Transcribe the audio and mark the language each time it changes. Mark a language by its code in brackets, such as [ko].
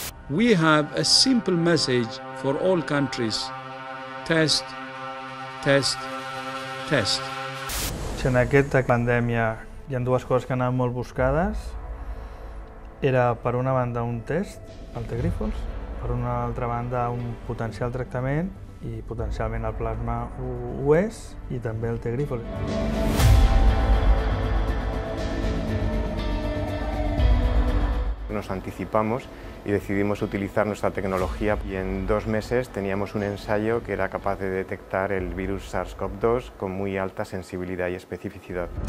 [en] We have a simple message for all countries. Test, test, test. [ca] Si en aquesta pandèmia hi ha dues coses que han anat molt buscades, era per una banda un test, el Tegrifols, per una altra banda un potencial tractament, i potencialment el plasma ho és, i també el Tegrifols. [en] We [es] nos anticipamos y decidimos utilizar nuestra tecnología. Y en 2 meses teníamos un ensayo que era capaz de detectar el virus SARS-CoV-2 con muy alta sensibilidad y especificidad.